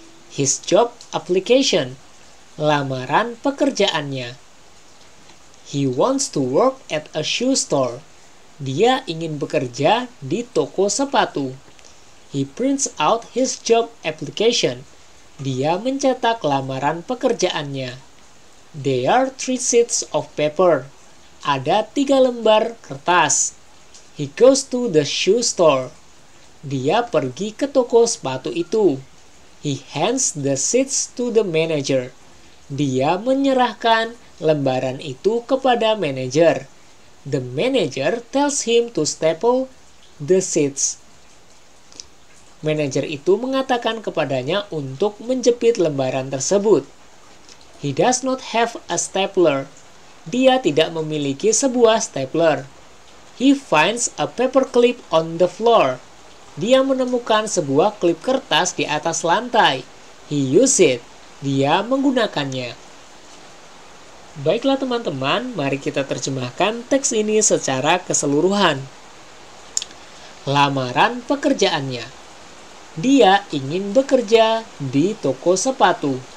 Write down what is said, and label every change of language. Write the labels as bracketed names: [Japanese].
[English] His job application. [Indonesian] Lamaran pekerjaannya. [English] He wants to work at a shoe store. [Indonesian] Dia ingin bekerja di toko sepatu. [English] He prints out his job application. [Indonesian] Dia mencetak lamaran pekerjaannya. [English] There are 3 sheets of paper. [Indonesian] Ada 3 lembar kertas. [English] He goes to the shoe store. [Indonesian] Dia pergi ke toko sepatu itu. [English] He hands the sheets to the manager. [Indonesian] Dia menyerahkan lembaran itu kepada manager. [English] The manager tells him to staple the sheets. [Indonesian] Manager itu mengatakan kepadanya untuk menjepit lembaran tersebut. [English] He does not have a stapler. [Indonesian] Dia tidak memiliki sebuah stapler. [English] He finds a paper clip on the floor. [Indonesian] Dia menemukan sebuah klip kertas di atas lantai. [English] He uses it. [Indonesian] Dia menggunakannya. Baiklah teman-teman, mari kita terjemahkan teks ini secara keseluruhan. Lamaran pekerjaannya. Dia ingin bekerja di toko sepatu.